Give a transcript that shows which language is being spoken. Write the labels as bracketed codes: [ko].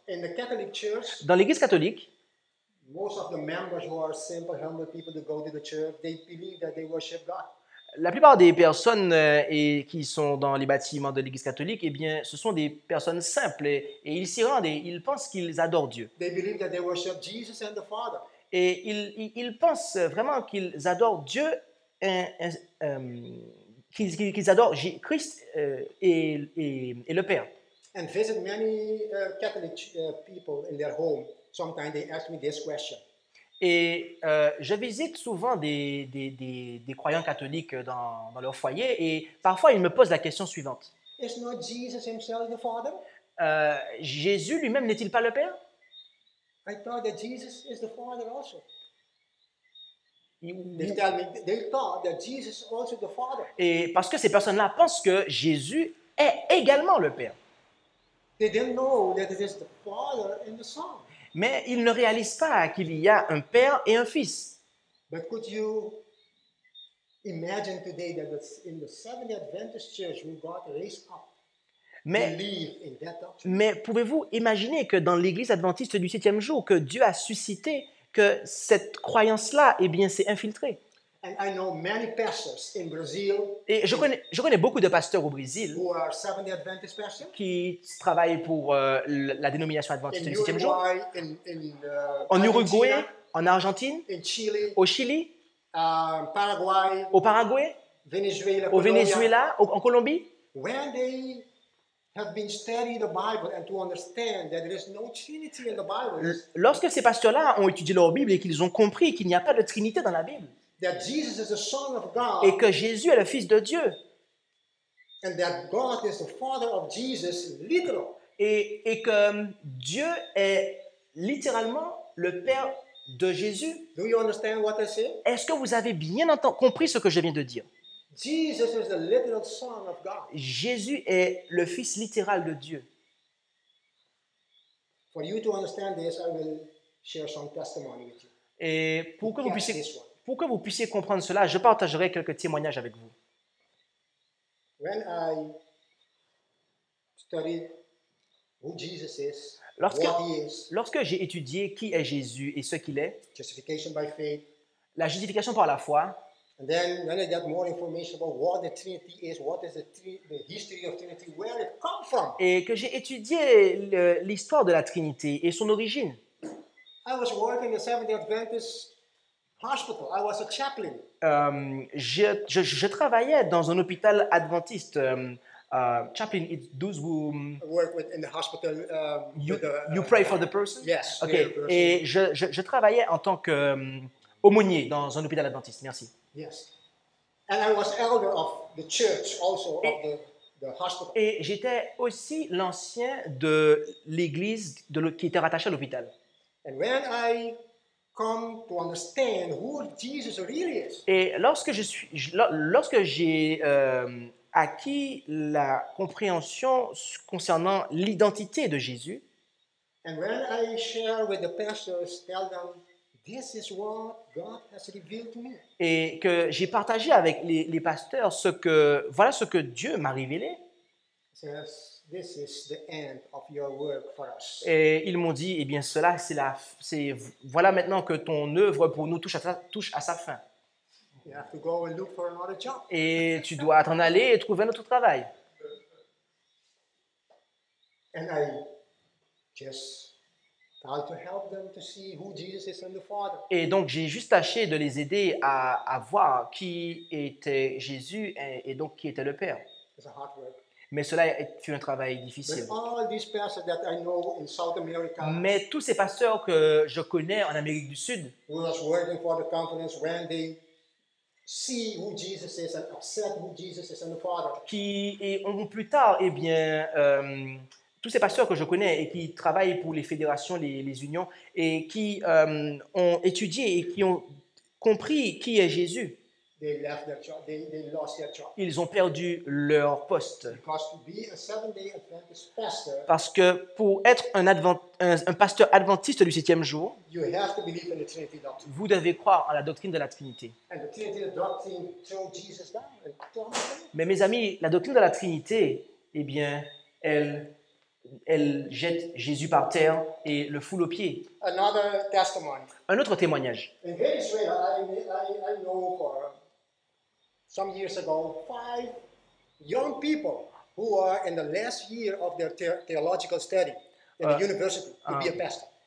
[en] In the Catholic Church, [fr] dans l'Église catholique, la plupart des personnes qui sont dans les bâtiments de l'Église catholique, eh bien, ce sont des personnes simples et ils s'y rendent et ils pensent qu'ils adorent Dieu. [en] They believe that they worship Jesus and the Father. [fr] Et ils pensent vraiment qu'ils adorent Dieu, qu'ils adorent Christ et le Père. [en] And visit many Catholic people in their home. Sometimes they ask me this question. [fr] Et je visite souvent des croyants catholiques dans leur foyer et parfois ils me posent la question suivante. [en] Is not Jesus himself the Father? [fr] Jésus lui-même n'est-il pas le Père? [en] I thought that Jesus is the Father also. They thought that Jesus is also the Father. [fr] Et parce que ces personnes-là pensent que Jésus est également le Père. [en] They didn't know that it is the Father and the Son. [fr] Mais ils ne réalisent pas qu'il y a un père et un fils. [en] But could you imagine today that in the Seventh-day Adventist Church we got raised up? [fr] Mais pouvez-vous imaginer que dans l'Église adventiste du septième jour, que Dieu a suscité que cette croyance-là, eh bien, s'est infiltrée? [en] And I know many pastors in Brazil, [fr] et je connais beaucoup de pasteurs au Brésil [en] who are Seventh-day Adventist pastors, [fr] qui travaillent pour la dénomination adventiste [en] in [fr] du septième jour. En Uruguay, en Argentine, [en] in Chile, [fr] au Chili, [en] Paraguay, [fr] au Paraguay, [en] Venezuela, [fr] au Venezuela, en Colombie. [en] When they have been studying the Bible and to understand that there is no Trinity in the Bible. [fr] Lorsque ces pasteurs-là ont étudié leur Bible et qu'ils ont compris qu'il n'y a pas de Trinité dans la Bible. [en] That Jesus is the Son of God. [fr] Et que Jésus est le Fils de Dieu. [en] And that God is the Father of Jesus, literal. [fr] Et que Dieu est littéralement le Père de Jésus. [en] Do you understand what I say? [fr] Est-ce que vous avez bien compris ce que je viens de dire? [en] Jesus is the literal Son of God. [fr] Jésus est le Fils littéral de Dieu. [en] For you to understand this, I will share some testimony with you. [fr] Et pour que vous puissiez comprendre cela, je partagerai quelques témoignages avec vous. [en] When I studied who Jesus is, [fr] lorsque j'ai étudié qui est Jésus et ce qu'il est, [en] justification by faith, [fr] la justification par la foi, [en] and then when I got more information about what the Trinity is, what is the history of Trinity, where it come from, [fr] et que j'ai étudié l'histoire de la Trinité et son origine, [en] I was working in Seventh-day Adventist Hospital. I was a chaplain. Je travaillais dans un hôpital adventiste. Chaplain, it's those who work with in the hospital. You pray for the person. Yes. Okay. Person. [fr] Et je travaillais en tant que aumônier dans un hôpital adventiste. Merci. [en] Yes. And I was elder of the church also of the hospital. [fr] Et j'étais aussi l'ancien de l'église qui était rattachée à l'hôpital. [en] And when I come to understand who Jesus really is. [fr] Et lorsque j'ai acquis la compréhension concernant l'identité de Jésus, [en] and when I share with the pastors, tell them this is what God has revealed to me. [fr] Et que j'ai partagé avec les pasteurs ce que Dieu m'a révélé. [en] Yes. This is the end of your work for us. [fr] Et ils m'ont dit, eh bien, cela, voilà maintenant que ton œuvre pour nous touche à sa fin. [en] You have to go and look for another job. [fr] Et tu dois t'en aller et trouver un autre travail. [en] And I just tried to help them to see who Jesus is and the Father. [fr] Et donc j'ai juste tâché de les aider à voir qui était Jésus et donc qui était le Père. [en] It's a hard work. [fr] Mais cela fut un travail difficile. [en] America, [fr] mais tous ces pasteurs que je connais en Amérique du Sud qui ont plus tard, eh bien, tous ces pasteurs que je connais et qui travaillent pour les fédérations, les unions, et qui ont étudié et qui ont compris qui est Jésus. [en] They left their job. They lost their job. [fr] Ils ont perdu leur poste. [en] Because to be a Seventh-day Adventist pastor, [fr] parce que pour être un pasteur adventiste du septième jour, [en] you have to believe in the Trinity doctrine. [fr] Vous devez croire en la doctrine de la Trinité. [en] And the Trinity doctrine throws Jesus down. [fr] Mais mes amis, la doctrine de la Trinité, eh bien, elle jette Jésus par terre et le foule aux pieds. [en] Another testimony. [fr] Un autre témoignage. [en] In Venezuela, I know for some years ago, five young people who are in the last year of their theological study in the university to be a pastor.